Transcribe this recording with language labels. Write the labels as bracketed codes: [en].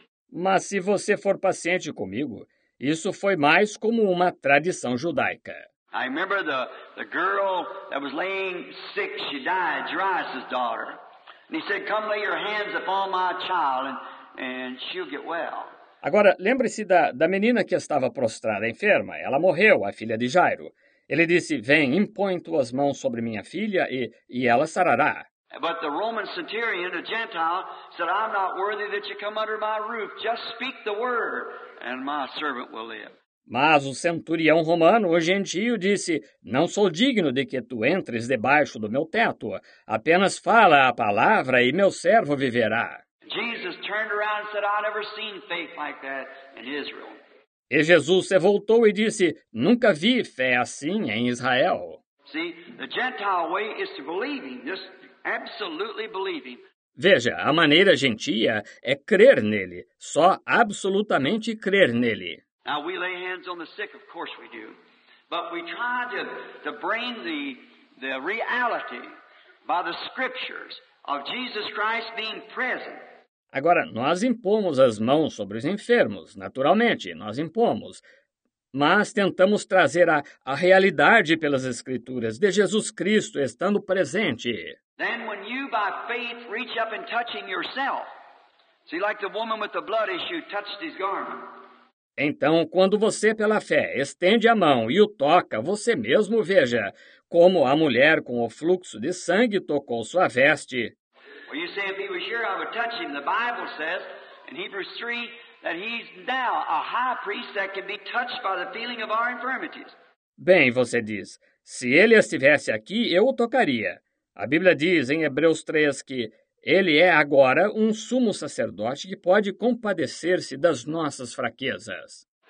[pt] Mas se você for paciente comigo, isso foi mais como uma tradição judaica. [en] I remember the girl that was laying sick, she died, Jairus's daughter. And he said, come lay your hands upon my child and she'll get well. [pt] Agora, lembre-se da menina que estava prostrada, enferma. Ela morreu, a filha de Jairo. Ele disse, vem, impõe tuas mãos sobre minha filha e ela sarará. [en] But the Roman centurion, a Gentile, said, I'm not worthy that you come under my roof. Just speak the word and my servant will live. [pt] Mas o centurião romano, o gentio, disse: Não sou digno de que tu entres debaixo do meu teto. Apenas fala a palavra e meu servo viverá. [en] Jesus turned around and said, I've never seen faith like that in Israel. [pt] E Jesus se voltou e disse: Nunca vi fé assim em Israel. [en] See, the Gentile way is to believing, just absolutely believing. [pt] Veja, a maneira gentia é crer nele, só absolutamente crer nele. [en] Now we lay hands on the sick, of course we do, but we try to bring the reality by the scriptures of Jesus Christ being present. [pt] Agora, nós impomos as mãos sobre os enfermos, naturalmente, nós impomos, mas tentamos trazer a realidade pelas Escrituras de Jesus Cristo estando presente. [en] Then when you by faith reach up and touching yourself, see like the woman with the blood issue touched his garment. [pt] Então, quando você, pela fé, estende a mão e o toca, você mesmo veja como a mulher com o fluxo de sangue tocou sua veste. [en] Well, you say, if he was here, I would touch him. The Bible says, in Hebrews 3, that he's now a high priest that can be touched by the feeling of our infirmities. [pt] Bem, você diz, se ele estivesse aqui, eu o tocaria. A Bíblia diz, em Hebreus 3, que ele é agora um sumo sacerdote que pode compadecer-se das nossas fraquezas.